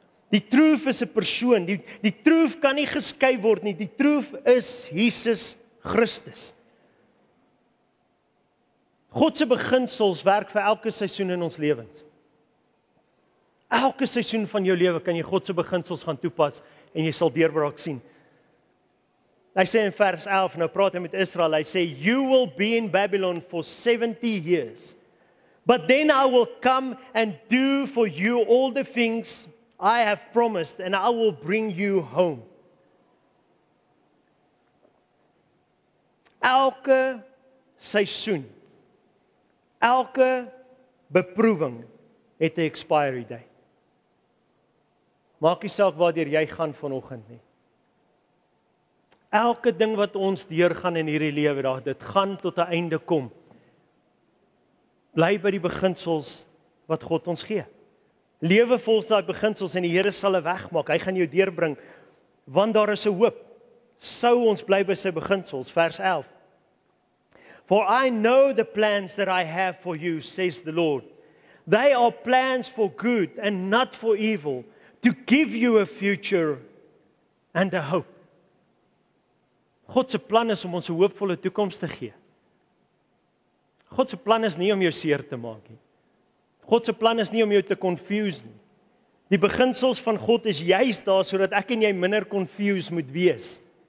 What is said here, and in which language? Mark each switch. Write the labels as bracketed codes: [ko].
[af] Die truth is 'n persoon, die truth kan nie geskei word nie, die truth is Jesus Christus. God se beginsels werk vir elke seisoen in ons lewens. Elke seisoen van jou lewe kan jy God se beginsels gaan toepas, en jy sal deurbraak sien. Hy sê in vers 11, nou praat hy met Israel, hy sê, [en] you will be in Babylon for 70 years, but then I will come and do for you all the things I have promised, and I will bring you home. [af] Elke seisoen, elke beproeving het 'n expiry date. Maak nie saak waardeur jy gaan vanoggend nie. Elke ding wat ons deurgaan in hierdie lewe, daar dit gaan tot 'n einde kom. Bly by die beginsels wat God ons gee. Lewe volgens daai beginsels en die Here sal 'n weg maak. Hy gaan jou deurbring want daar is 'n hoop. Sou ons bly by sy beginsels, vers 11. [en] For I know the plans that I have for you, says the Lord. They are plans for good and not for evil, to give you a future and a hope. [af] God se plan is om ons 'n hoopvolle toekoms te gee. God se plan is nie om jou seer te maak nie. God se plan is nie om jou te confuse nie. Die beginsels van God is juist daar sodat ek en jy minder confused moet wees.